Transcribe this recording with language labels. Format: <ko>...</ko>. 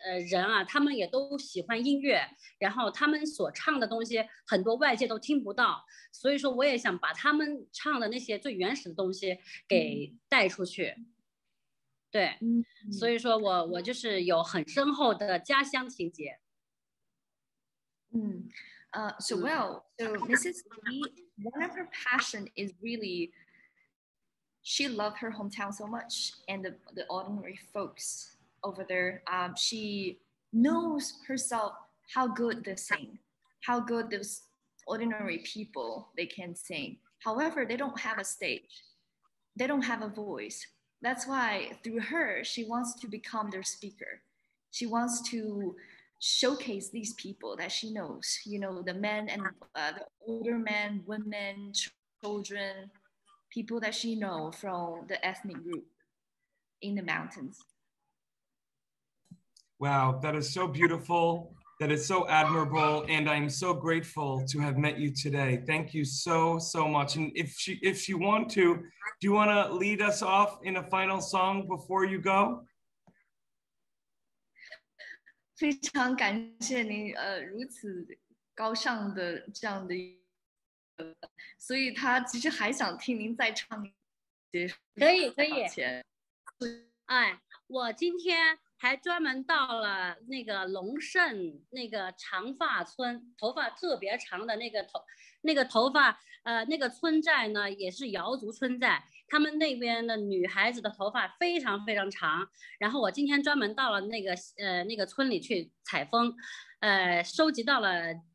<zh>人啊他们也都喜欢音乐然后他们所唱的东西很多外界都听不到所以说我也想把他们唱的那些最原始的东西给带出去对所以说我就是有很深厚的家乡情结</zh> <en>So Mrs. Lee, one of her passion is reallyShe loved her hometown so much and the ordinary folks over there. She knows herself how good they sing, how good those ordinary people they can sing. However, they don't have a stage. They don't have a voice. That's why through her, she wants to become their speaker. She wants to showcase these people that she knows, you know, the men and the older men, women, children,people that she know from the ethnic group in the mountains. Wow, that is so beautiful. That is so admirable. And I'm so grateful to have met you today. Thank you so, so much. And if you want to, do you want to lead us off in a final song before you go?</en> <zh>非常感谢您如此高尚的这样的所以他其实还想听您再唱一些可以可以哎，我今天还专门到了那个龙胜那个长发村头发特别长的那个头发那个村寨呢也是瑶族村寨他们那边的女孩子的头发非常非常长然后我今天专门到了那个村里去采风收集到了</zh>